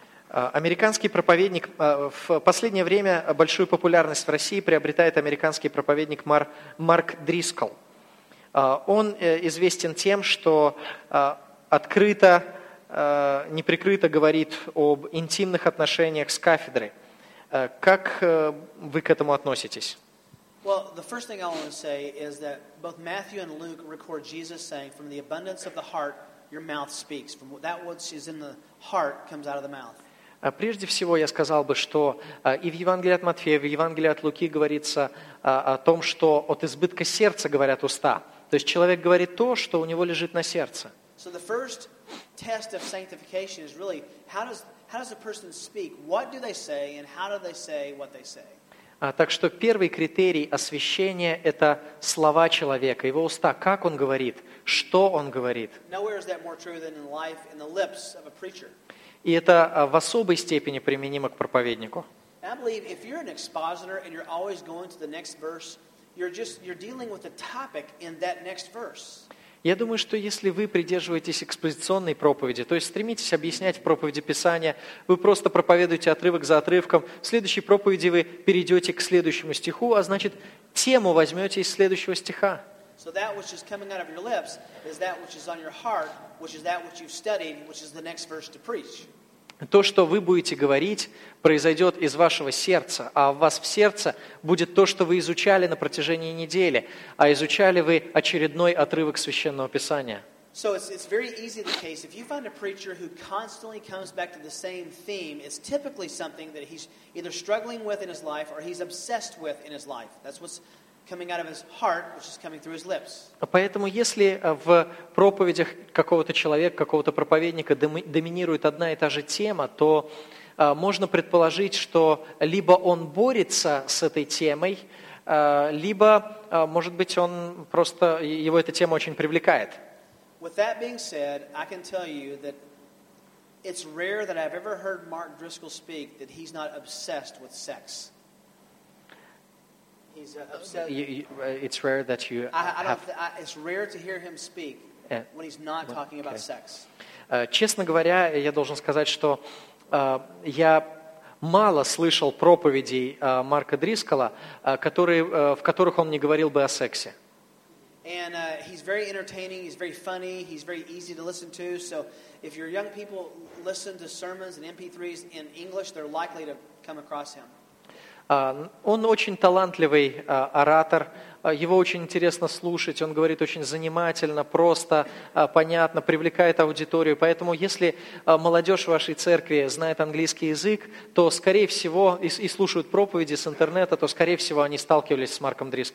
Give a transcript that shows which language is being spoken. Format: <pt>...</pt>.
<ru>Американский проповедник, в последнее время большую популярность в России приобретает американский проповедник Марк Дрискол. Он известен тем, что открыто, неприкрыто говорит об интимных отношениях с кафедрой. Как вы к этому относитесь?</ru> <en>Well, the first thing I want to say is that both Matthew and Luke record Jesus saying, from the abundance of the heart, your mouth speaks. From that which is in the heart comes out of the mouth.</en> <ru>Прежде всего, я сказал бы, что и в Евангелии от Матфея, и в Евангелии от Луки говорится о том, что от избытка сердца говорят уста. То есть человек говорит то, что у него лежит на сердце.</ru> <en>So the first test of sanctification is really, how does a person speak? What do they say, and how do they say what they say?</en> <ru>Так что первый критерий освящения – это слова человека, его уста, как он говорит, что он говорит.</ru> <en>Nowhere is that more true than in life, in the lips of a preacher.</en> <ru>И это в особой степени применимо к проповеднику.</ru> <en>I believe if you're an expositor and you're always going to the next verse, you're dealing with a topic in that next verse.</en> <ru>Я думаю, что если вы придерживаетесь экспозиционной проповеди, то есть стремитесь объяснять в проповеди Писания, вы просто проповедуете отрывок за отрывком, в следующей проповеди вы перейдете к следующему стиху, а значит, тему возьмете из следующего стиха.</ru> <en>So that which is coming out of your lips is that which is on your heart, which is that which you've studied, which is the next verse to preach.</en> <ru>То, что вы будете говорить, произойдет из вашего сердца, а в вас в сердце будет то, что вы изучали на протяжении недели, а изучали вы очередной отрывок Священного Писания.</ru> <en>So it's very easy the case. If you find a preacher who constantly comes back to the same theme, it's typically something that he's either struggling with in his life or he's obsessed with in his life. That's what's coming out of his heart, which is coming through his lips.</en> <ru>Поэтому, если в проповедях какого-то человека, какого-то проповедника доминирует одна и та же тема, то можно предположить, что либо он борется с этой темой, либо, может быть, он просто его эта тема очень привлекает.</ru> <en>With that being said, I can tell you that it's rare that I've ever heard Mark Driscoll speak that he's not obsessed with sex. It's rare that you have... It's rare to hear him speak when he's not talking about sex.</en> <ru>Честно говоря, я должен сказать, что я мало слышал проповедей Марка Дрискола, в которых он не говорил бы о сексе.</ru> <en>And he's very entertaining, he's very funny, he's very easy to listen to. So if your young people listen to sermons and MP3s in English, they're likely to come across him.</en> <ru>Он очень талантливый оратор, его очень интересно слушать, он говорит очень занимательно, просто, понятно, привлекает аудиторию. Поэтому если молодежь в вашей церкви знает английский язык, то, скорее всего, и слушают проповеди с интернета, то, скорее всего, они сталкивались с Марком</ru>